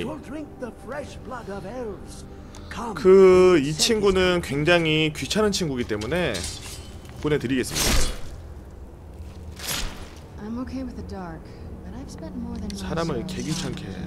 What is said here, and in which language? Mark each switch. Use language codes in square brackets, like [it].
[en] It will drink the fresh blood of elves. Come. [ko] 그 이 친구는 굉장히 귀찮은 친구이기 때문에 보내드리겠습니다. [en] I'm okay with the dark, but I've spent more than. [ko] 사람을 개귀찮게.